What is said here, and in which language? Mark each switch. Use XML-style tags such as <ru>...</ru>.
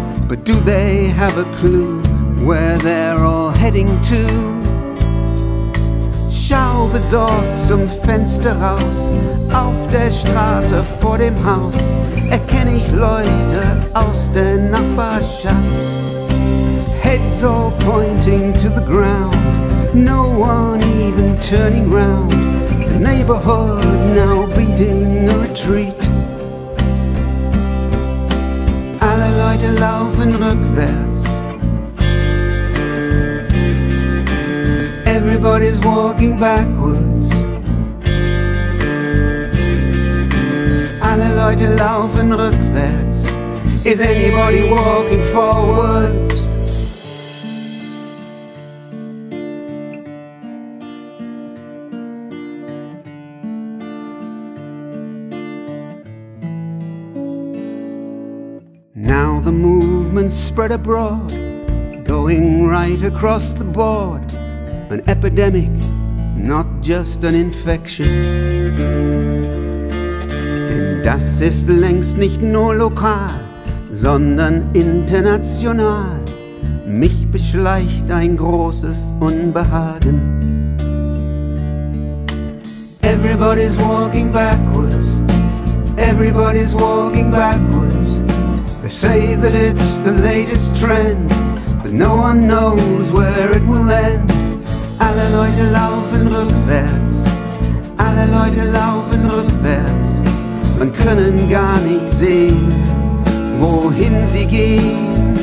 <en>But do they have a clue where they're all heading to?</en> <de>Schau besorgt zum Fenster raus, auf der Straße vor dem Haus, erkenne ich Leute aus der Nachbarschaft.</de> <en>Heads all pointing to the ground, no one even turning round, the neighborhood now beating a retreat.</en> <de>Alle Leute laufen rückwärts,</de> <en>everybody's walking backwards.</en> <de>Alle Leute laufen rückwärts,</de> <en>is anybody walking forwards? Now the movement spread abroad, going right across the board, an epidemic, not just an infection.</en> <de>Denn das ist längst nicht nur lokal, sondern international. Mich beschleicht ein großes Unbehagen.</de> <en>Everybody's walking backwards, everybody's walking backwards. They say that it's the latest trend, but no one knows where it will end.</en> <de>Alle Leute laufen rückwärts, alle Leute laufen rückwärts. Man können gar nicht sehen, wohin sie gehen.</de>